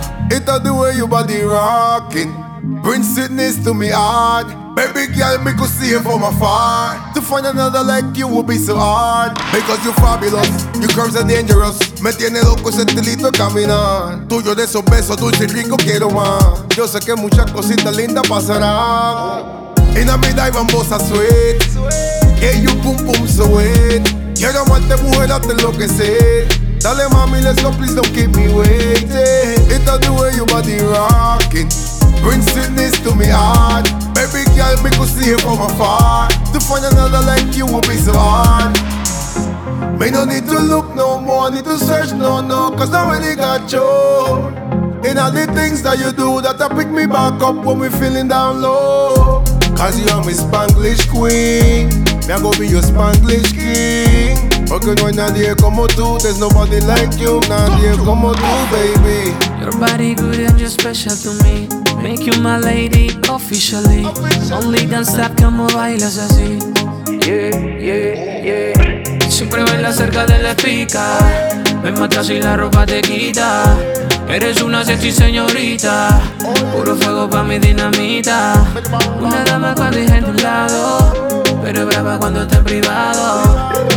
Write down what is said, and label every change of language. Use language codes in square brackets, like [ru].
[en] It's the way your body rocking. Bring sweetness to me heart. Baby girl, me could see you from afar. To find another like you would be so hard. Because you're fabulous, your curves are dangerous. [es] Me tiene loco ese estilito de caminar. Tuyo de esos besos, dulce y rico, quiero más. Yo sé que muchas cositas lindas pasarán. [en] In a mid dive and bossa sweet. Yeah, you boom boom sweet. [es] Quiero amarte mujer hasta enloquecer. Dale mami, [en] let's go, please don't keep me waiting. It's the way your body rocking. Bring sweetness to me heart. Baby girl, me could see you from afar. To find another like you would be so hard. Me no need to look no more, need to search no, no. Cause I already got you. In all the things that you do that'll pick me back up when we feeling down low. Cause you are my Spanglish queen. Me I go be your Spanglish king. [es] Porque no hay nadie como tú. [en] There's nobody like you. [es] Nadie como tú, [en] baby. Your body good and you're special to me. Make you my lady officially. Only dance that [es] como bailas así. [en] Yeah, yeah, yeah. [es] Siempre baila cerca de la pica. Me mata si la ropa te quita. Eres una sexy señorita. Puro fuego pa' mi dinamita. Una dama cuando es en tu lado. Pero es brava cuando está en privado.